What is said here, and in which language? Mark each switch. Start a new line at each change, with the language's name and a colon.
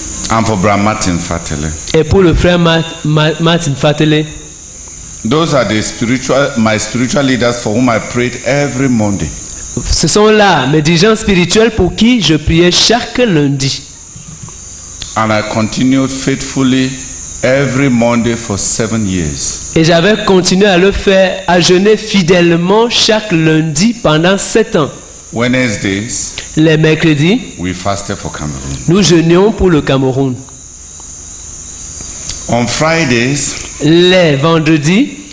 English: And for Brother Martin Fatele.
French: Et pour le frère Martin Fatele.
English: Those are my spiritual leaders for whom I prayed every Monday.
French: Ce sont là mes dirigeants spirituels pour qui je priais chaque lundi.
English: And I continued faithfully every Monday for 7 years.
French: Et j'avais continué à le faire, à jeûner fidèlement chaque lundi pendant 7 ans.
English: Wednesdays,
French: les mercredis,
English: we fasted for Cameroon.
French: Nous jeûnions pour le Cameroun.
English: On Fridays,
French: les vendredis,